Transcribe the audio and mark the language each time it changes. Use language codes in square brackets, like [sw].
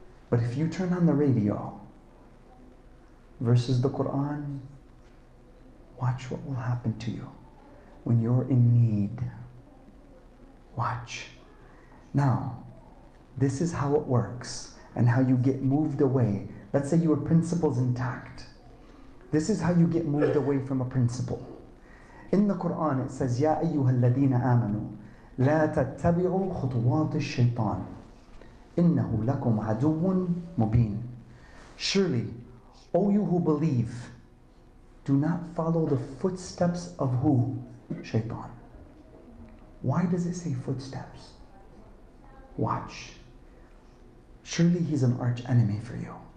[en] But if you turn on the radio versus the Quran, watch what will happen to you. When you're in need, watch. Now, this is how it works and how you get moved away. Let's say your principle's intact. This is how you get moved away from a principle. In the Quran, it says, [ar] يَا أَيُّهَا الَّذِينَ آمَنُوا لَا تَتَّبِعُوا خُطُوَاتِ الشَّيْطَانِ إِنَّهُ لَكُمْ عَدُوٌ مُبِينٌ. [en] Surely, O you who believe, do not follow the footsteps of who? Shaitan. Why does it say footsteps? Watch. Surely he's an arch enemy for you.